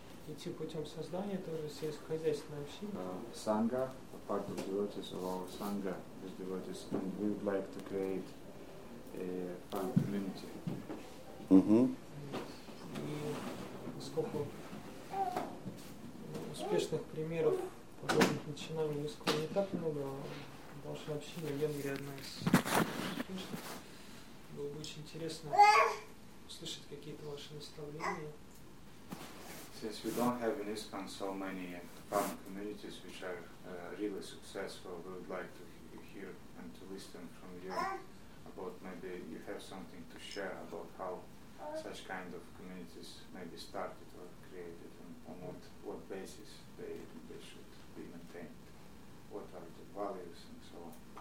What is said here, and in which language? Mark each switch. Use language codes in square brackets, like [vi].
[ru] идти путем создания тоже сельскохозяйственной общины. [en] Sangha, a part of devotees of our Sangha is devotees, and we would like to create a farm community. Mm-hmm. [ru] И сколько успешных примеров подобных начинаний в Исконе не так много, а ваша община в Венгрии одна из успешных. Было бы очень интересно услышать какие-то ваши наставления. [en] Since we don't have in ISKCON so many farm communities which are really successful, we would like to hear and to listen from you about maybe you have something to share about how such kind of communities may be started or created and on what basis they should be maintained, what are the values and so on.